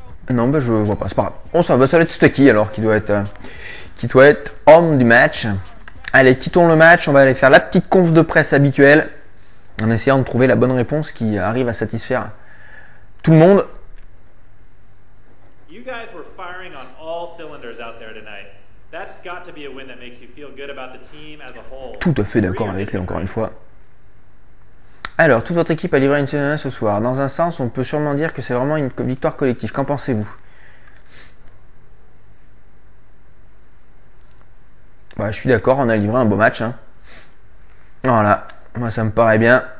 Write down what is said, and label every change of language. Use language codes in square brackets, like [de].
[fr] Non, ben je vois pas, c'est pas grave. On s'en va, ça va être Stucky alors qui doit être homme du match. Allez, quittons le match, on va aller faire la petite conf de presse habituelle en essayant de trouver la bonne réponse qui arrive à satisfaire tout le monde. [en] You guys were firing on all cylinders out there tonight. That's got to be a win that makes you feel good about the team as a whole. [fr] Tout à fait d'accord avec lui encore une fois. Alors, toute votre équipe a livré une saison ce soir. Dans un sens, on peut sûrement dire que c'est vraiment une victoire collective. Qu'en pensez-vous? Bah, je suis d'accord, on a livré un beau match. Hein. Voilà, moi ça me paraît bien.